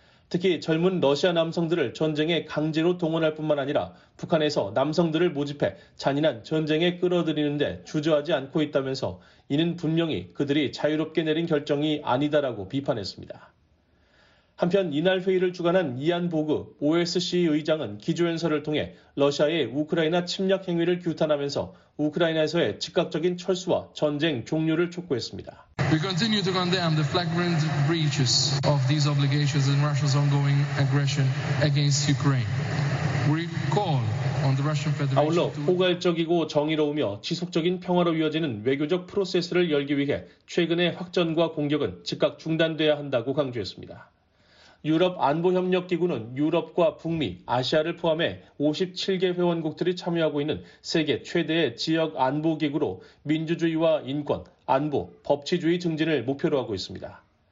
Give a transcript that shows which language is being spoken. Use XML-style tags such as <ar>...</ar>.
<ko>특히 젊은 러시아 남성들을 전쟁에 강제로 동원할 뿐만 아니라 북한에서 남성들을 모집해 잔인한 전쟁에 끌어들이는 데 주저하지 않고 있다면서 이는 분명히 그들이 자유롭게 내린 결정이 아니다라고 비판했습니다. 한편 이날 회의를 주관한 이안 보그 OSCE 의장은 기조연설을 통해 러시아의 우크라이나 침략 행위를 규탄하면서 우크라이나에서의 즉각적인 철수와 전쟁 종료를 촉구했습니다.</ko> <en>We continue to condemn the flagrant breaches of these obligations and Russia's ongoing aggression against Ukraine. We call on the Russian Federation.</en> <ko>아울러 포괄적이고 정의로우며 지속적인 평화로 이어지는 외교적 프로세스를 열기 위해 최근의 확전과 공격은 즉각 중단돼야 한다고 강조했습니다. 유럽 안보협력기구는 유럽과 북미, 아시아를 포함해 57개 회원국들이 참여하고 있는 세계 최대의 지역 안보기구로 민주주의와 인권, 안보, 법치주의 증진을 목표로 하고 있습니다.</ko>